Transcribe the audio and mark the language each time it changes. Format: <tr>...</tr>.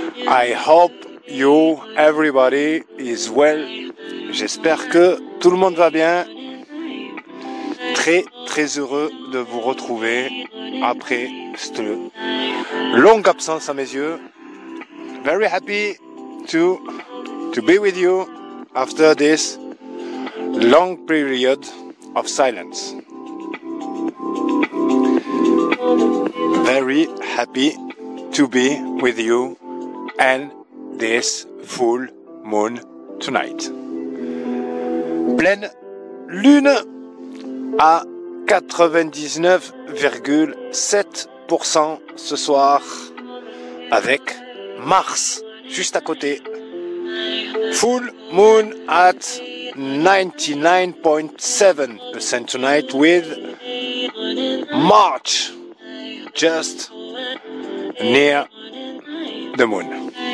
<en>I hope you, everybody, is well.</en> <fr>J'espère que tout le monde va bien. Très très heureux de vous retrouver après cette longue absence à mes yeux.</fr> <en>Very happy to be with you after this long period of silence. Very happy to be with you and this full moon tonight.</en> <fr>Pleine lune à 99,7% ce soir avec Mars juste à côté.</fr> <en>Full moon at 99.7% tonight with March just near the moon.</en>